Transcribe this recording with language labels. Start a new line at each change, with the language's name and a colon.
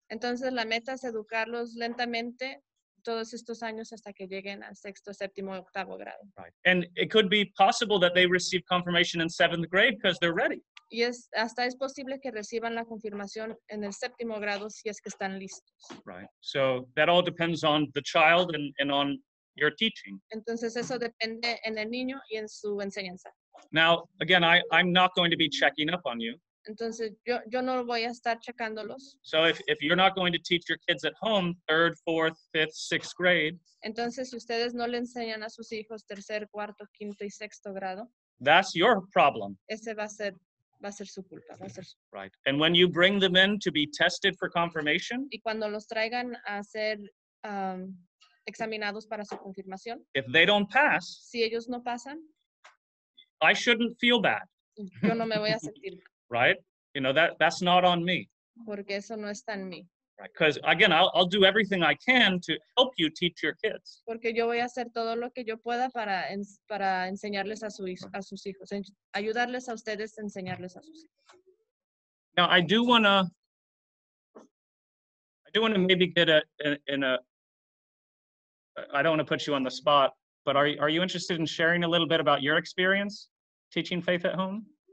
Spanish: Entonces la meta es educarlos lentamente, todos estos años hasta que lleguen al sexto, séptimo, octavo grado.
English: Right. And it could be possible that they receive confirmation in seventh grade because they're ready.
Spanish: Y es, hasta es posible que reciban la confirmación en el séptimo grado si es que están listos.
English: Right. So that all depends on the child and on your teaching.
Spanish: Entonces eso depende en el niño y en su enseñanza.
English: Now, again, I'm not going to be checking up on you.
Spanish: Entonces, yo no voy a estar checándolos.
English: So if you're not going to teach your kids at home, third, fourth, fifth, sixth grade.
Spanish: Entonces, si ustedes no le enseñan a sus hijos tercer, cuarto, quinto y sexto grado.
English: That's your problem.
Spanish: Ese va a ser su culpa. Va a ser su...
English: Right. And when you bring them in to be tested for confirmation.
Spanish: Y cuando los traigan a ser examinados para su confirmación.
English: If they don't pass.
Spanish: Si ellos no pasan.
English: I shouldn't feel bad.
Spanish: Yo no me voy a sentir mal.
English: Right? You know, that's not on me.
Spanish: Porque eso no está en mí.
English: Right. Because, again, I'll do everything I can to help you teach your kids.
Spanish: Porque yo voy a hacer todo lo que yo pueda para enseñarles a sus hijos. Ayudarles a ustedes a enseñarles a sus hijos.
English: Now, I do want to maybe get I don't want to put you on the spot, but are you interested in sharing a little bit about your experience teaching faith at home?